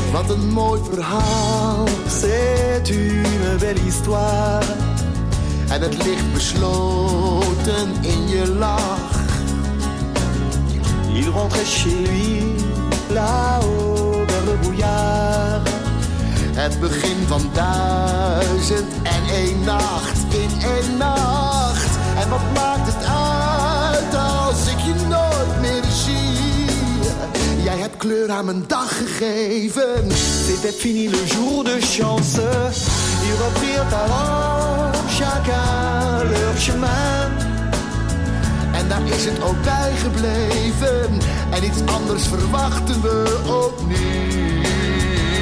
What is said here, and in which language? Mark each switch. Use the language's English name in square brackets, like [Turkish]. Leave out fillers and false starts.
[Dutch] Een mooi verhaal, [French] c'est une belle histoire. [Dutch] En het ligt besloten in je lach. [French] Il rentrait chez lui, là-haut, vers le brouillard. [Dutch] Het begin van duizend en één nacht, in één nacht. En wat maakt het uit als ik je nooit meer zie? Jij hebt kleur aan mijn dag gegeven. [French] C'était fini le jour de chance. Ils reprirent alors chacun leur chemin. [Dutch] En daar is het ook bij gebleven. En iets anders verwachten we opnieuw.